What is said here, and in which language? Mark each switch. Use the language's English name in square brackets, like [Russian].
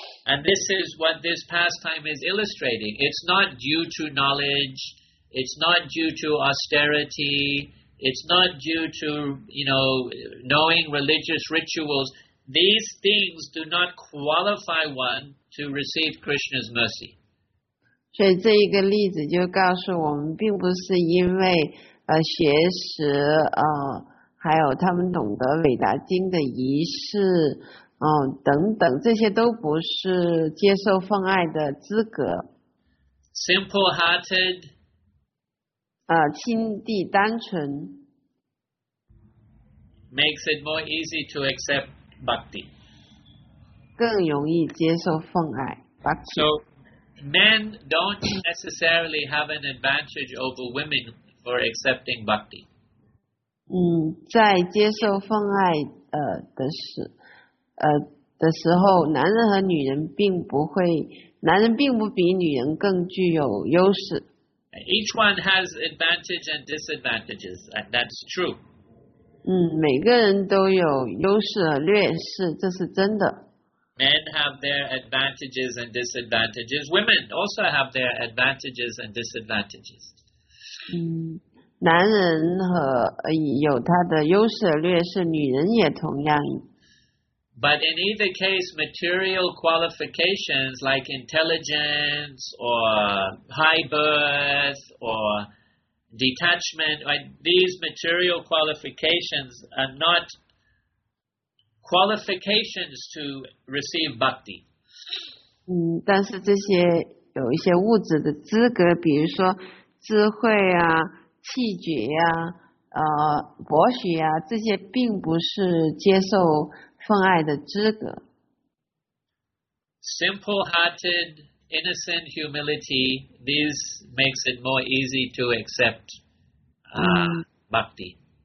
[English] And this is what this pastime is illustrating. It's not due to knowledge. It's not due to austerity. It's not due to, you know, knowing religious rituals. These things do not qualify one to receive Krishna's mercy. [Chinese] 所以这一个例子就告诉我们，并不是因为学识还有他们懂得韦达经的仪式等等，这些都不是接受奉爱的资格。 [English] Simple-hearted， [Chinese] 心地单纯 [English] ，makes it more easy to accept bhakti， [Chinese] 更容易接受奉爱 bhakti。 [English] So men don't necessarily have an advantage over women for accepting bhakti。 [Chinese] 在接受奉爱的时候，男人和女人并不会，男人并不比女人更具有优势。 [English] Each one has advantage and disadvantages, and that's true. [Chinese] 每个人都有优势和劣势，这是真的。 [English] Men have their advantages and disadvantages. Women also have their advantages and disadvantages. [Chinese] 男人和有他的优势和劣势，女人也同样。 [English] But in either case, material qualifications like intelligence or high birth or detachment, like these material qualifications are not qualifications to receive bhakti. [Chinese] 但是这些有一些物质的资格，比如说智慧啊、气节啊、博学啊，这些并不是接受奉爱的资格。 [English] simple-hearted, innocent humility, this makes it more easy to accept bhakti.